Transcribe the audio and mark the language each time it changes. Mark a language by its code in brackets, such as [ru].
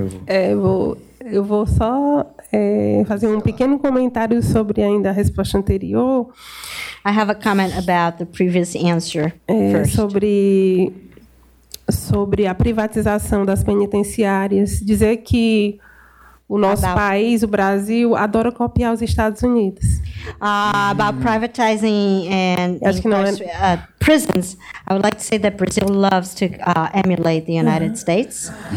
[pt] Eu vou só fazer um pequeno comentário sobre ainda a resposta anterior. [en] I have a comment about the previous answer. [pt] Sobre a privatização das penitenciárias, dizer que o nosso país, o Brasil, adora copiar os Estados Unidos. [en] About privatizing and prisons, I would like to say that Brazil loves to emulate the United States.